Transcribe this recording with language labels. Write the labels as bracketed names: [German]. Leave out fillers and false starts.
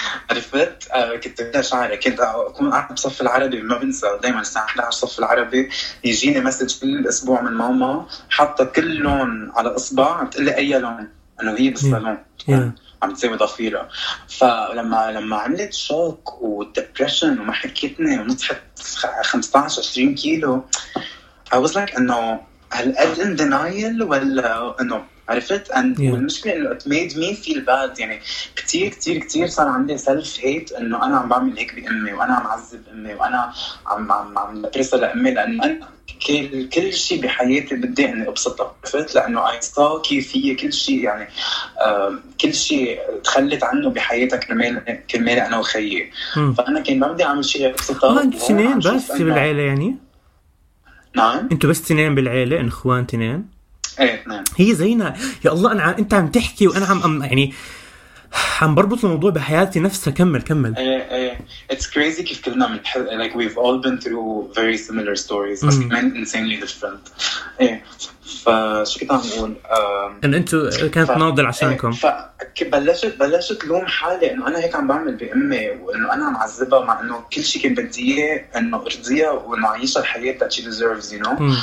[Arabic] عرفت كنت بدا شعري كنت أكون قاعد بصف العربي ما بنسى دائما الساعة 11 صف العربي يجيني مسج كل أسبوع من ماما حاطة كل لون على إصبع بتقلي أي لون إنه هي بالصالون عم تسوي ضفيرة. فلما عملت شوك ودبريشن وما حكيتني ونطحت 15-20 كيلو [English] I was like [Arabic] إنه هالقد [English] in denial [Arabic] ولا إنه عرفت [English] and yeah. [Arabic] والمشكلة إنه [English] it made me feel bad. [Arabic] يعني كتير كتير كتير صار عندي [English] self hate [Arabic] إنه أنا عم بعمل هيك بأمي وأنا عم عذب أمي وأنا عم بترسل لأمي، لأنه أنا كل شيء بحياتي بدي إني أبسطه عرفت، لأنه [English] I saw [Arabic] كيف هي كل شيء يعني كل شيء تخلت عنه بحياتها كرمال أنا وخيي. فأنا كان ما بدي أعمل شيء أبسطه. ما أنت اثنين بس في العيلة يعني؟ نعم. انتوا بس اثنين بالعيلة اخوان اثنين؟ ايه اثنين. هي زينا يا الله انت عم تحكي وانا عم بربط الموضوع بحياتي نفسها. كمل. ايه [English] it's crazy [Arabic] كيف كلنا [English] like we've all been through very similar stories [Arabic] بس كمان [English] insanely different. [Arabic] ايه فشو كنت عم نقول ان انتو كانت ناضل عشانكم. فبلشت لوم حالي انه انا هيك عم بعمل بامي وانه انا عم عذبها مع انه كل شيء كان بدي اياه انه ارضيها وانه عايشة الحياة [English] that she deserves you know.